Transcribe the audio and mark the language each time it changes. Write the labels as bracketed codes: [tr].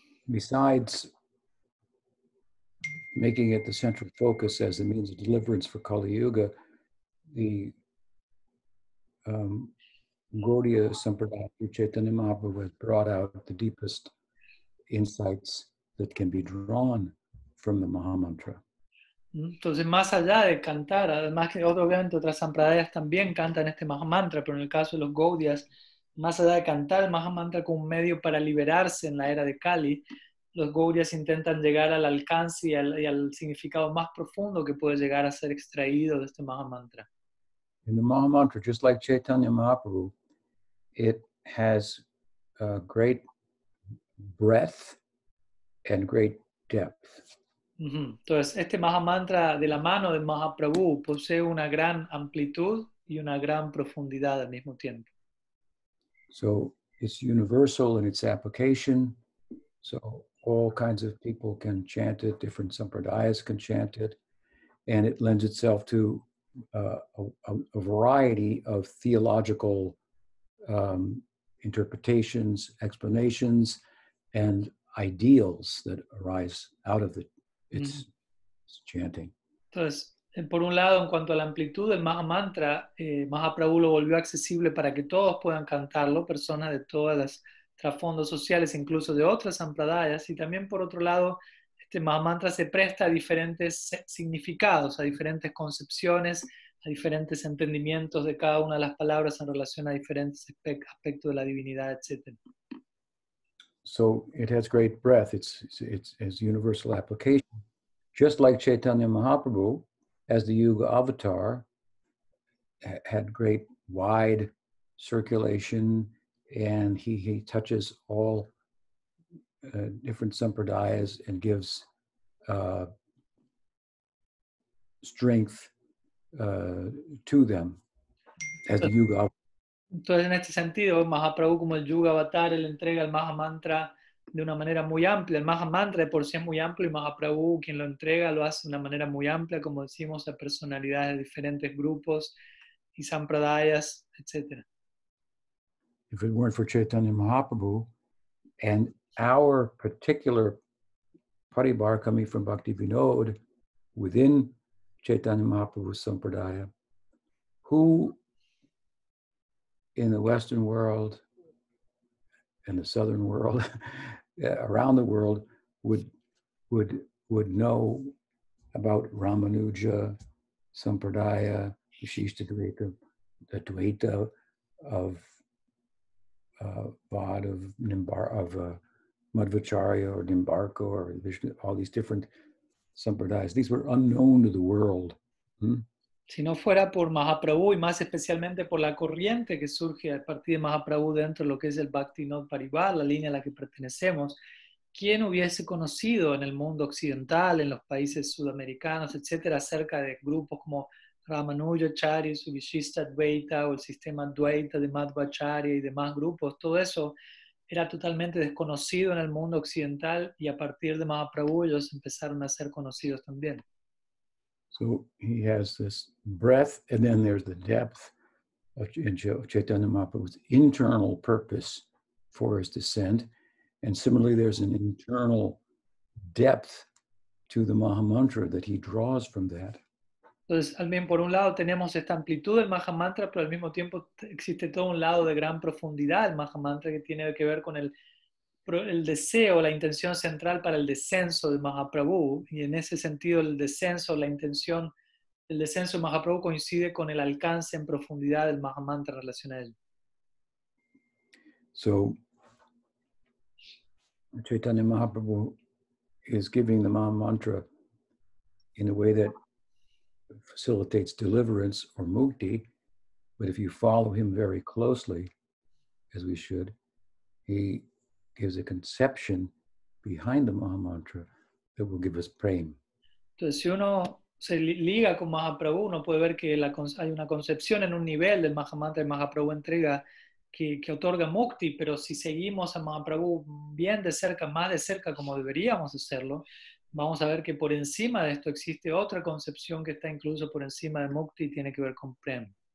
[en] besides making it the central focus as a means of deliverance for Kali Yuga, the Gaudiya Sampradaya, Chaitanya Mahaprabhu, has brought out the deepest insights that can be drawn from the Maha Mantra. [es] Entonces, más allá de cantar, además que obviamente otras sampradayas también cantan este Maha Mantra, pero en el caso de los Gaudias, más allá de cantar el Maha Mantra como un medio para liberarse en la era de Kali, los Gaudias intentan llegar al alcance y al significado más profundo que puede llegar a ser extraído de este Maha Mantra. [en] In the Maha Mantra, just like Chaitanya Mahaprabhu, it has a great breadth and great depth. [es] Entonces, este Maha Mantra de la mano de Mahaprabhu posee una gran amplitud y una gran profundidad al mismo tiempo. [en] So, it's universal in its application. So, all kinds of people can chant it, different sampradayas can chant it, and it lends itself to a variety of theological interpretations, explanations, and ideals that arise out of its chanting. [es] Entonces, por un lado, en cuanto a la amplitud del Mahamantra, Mahaprabhu lo volvió accesible para que todos puedan cantarlo, personas de todas las trasfondos sociales, incluso de otras sampradayas, y también por otro lado, este Mahamantra se presta a diferentes significados, a diferentes concepciones, a diferentes entendimientos de cada una de las palabras en relación a diferentes aspectos de la divinidad, etc. [en] So it has great breadth. It's universal application. Just like Chaitanya Mahaprabhu, as the Yuga avatar, had great wide circulation, and he touches all different sampradayas and gives strength to them as the Yuga avatar. [es] Entonces, en este sentido, Mahaprabhu, como el Yuga Avatar, él entrega el Mahamantra de una manera muy amplia. El Mahamantra de por sí es muy amplio y Mahaprabhu, quien lo entrega, lo hace de una manera muy amplia, como decimos, a personalidades de diferentes grupos y sampradayas, etc. [en] If it weren't for Chaitanya Mahaprabhu and our particular Paribhara coming from Bhakti Vinod within Chaitanya Mahaprabhu's sampradaya, who in the Western world, in the Southern world, around the world, would know about Ramanuja, Sampradaya, Vishishtadvaita, the Dvaita of Vada, of Nimbar, of Madhvacharya or Nimbarka or Vishnu, all these different Sampradayas. These were unknown to the world. [es] Si no fuera por Mahaprabhu y más especialmente por la corriente que surge a partir de Mahaprabhu dentro de lo que es el Bhakti Vinod Paribhara, la línea a la que pertenecemos, ¿quién hubiese conocido en el mundo occidental, en los países sudamericanos, etcétera, acerca de grupos como Ramanujacharya, Suvishistadvaita o el sistema Dvaita de Madhvacharya y demás grupos? Todo eso era totalmente desconocido en el mundo occidental y a partir de Mahaprabhu ellos empezaron a ser conocidos también. [en] So he has this breadth, and then there's the depth of Chaitanya Mahaprabhu's internal purpose for his descent. And similarly, there's an internal depth to the Mahamantra that he draws from that. [es] Entonces, también por un lado tenemos esta amplitud del Mahamantra, pero al mismo tiempo existe todo un lado de gran profundidad del Mahamantra que tiene que ver con el deseo, la intención central para el descenso de Mahaprabhu, y en ese sentido el descenso, la intención, el descenso de Mahaprabhu coincide con el alcance en profundidad del Mahamantra en relación a él. [en] So, Chaitanya Mahaprabhu is giving the Mahamantra in a way that facilitates deliverance or mukti, but if you follow him very closely, as we should, he gives a conception behind the Mahamantra that will give us prema. [es] Entonces, si uno se liga con Mahaprabhu, uno puede ver que hay una concepción en un nivel del Mahamantra que Mahaprabhu entrega que otorga mukti, pero si seguimos a Mahaprabhu bien de cerca, más de cerca como deberíamos hacerlo, vamos a ver que por encima de esto existe otra concepción que está incluso por encima de mukti y tiene que ver con prema.